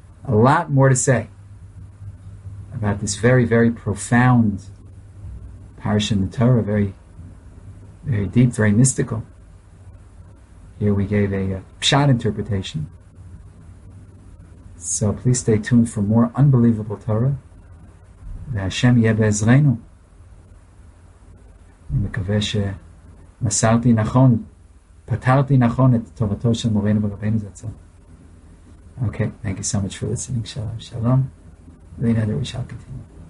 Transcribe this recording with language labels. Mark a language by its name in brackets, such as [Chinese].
[English] A lot more to say about this very, very profound parisha in the Torah, very, very deep, very mystical. Here we gave a pshat interpretation. So please stay tuned for more unbelievable Torah. [Hebrew] V'Hashem yebezreinu. V'mekavesh מסרתי נכון, פתרתי נכון את תורתו של מורינו ורבינו זצל. [English] Okay, thank you so much for listening. Shalom, shalom. We know that we shall continue.